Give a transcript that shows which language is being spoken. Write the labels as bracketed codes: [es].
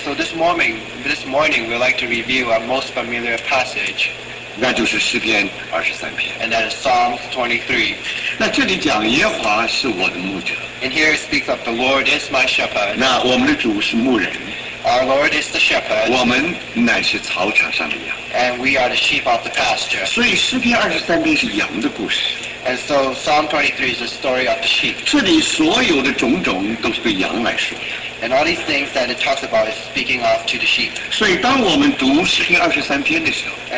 [en] so this morning, we'd like to review our most familiar passage. [zh] 那就是诗篇23篇。 [en] And that is Psalms 23. [zh] 那这里讲耶和华是我的牧者。 [en] And here it speaks of the Lord is my shepherd. [zh] 那我们的主是牧人。 [en] Our Lord is the shepherd. [zh] 我们乃是草场上的羊。 [en] And we are the sheep of the pasture. [zh] 所以诗篇23篇是羊的故事。 [en] And so Psalm 23 is the story of the sheep. [zh] 这里所有的种种都是对羊来说。 [en] And all these things that it talks about is speaking of to the sheep. [zh] 所以当我们读诗篇23篇的时候,